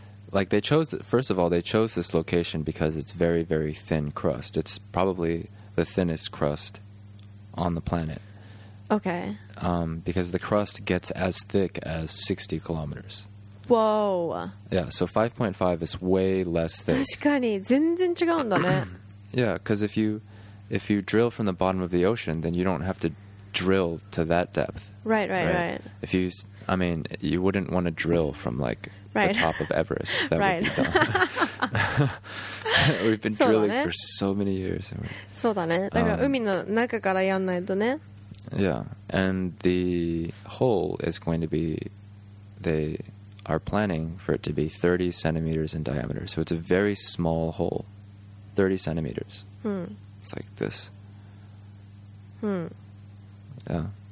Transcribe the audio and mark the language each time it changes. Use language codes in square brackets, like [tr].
[en] Like they chose, first of all, they chose this location because it's very, very thin crust. It's probably the thinnest crust on the planet. Okay. Because the crust gets as thick as 60 kilometers. Whoa. Yeah, so 5.5 is way less thick. [ja] 確かに、全然違うんだね。 [en] Yeah, because if you drill from the bottom of the ocean, then you don't have to drill to that depth. Right. If you, I mean, you wouldn't want to drill from like... Right. The top of Everest. That right. would be done. We've been drilling、 [ja] ね、 [en] for so many years. [ja] そうだね。だから海の中からやんないとね。 [en] Yeah. And the hole is going to be, they are planning for it to be 30 centimeters in diameter. So it's a very small hole. 30 centimeters.、It's like this. Yeah.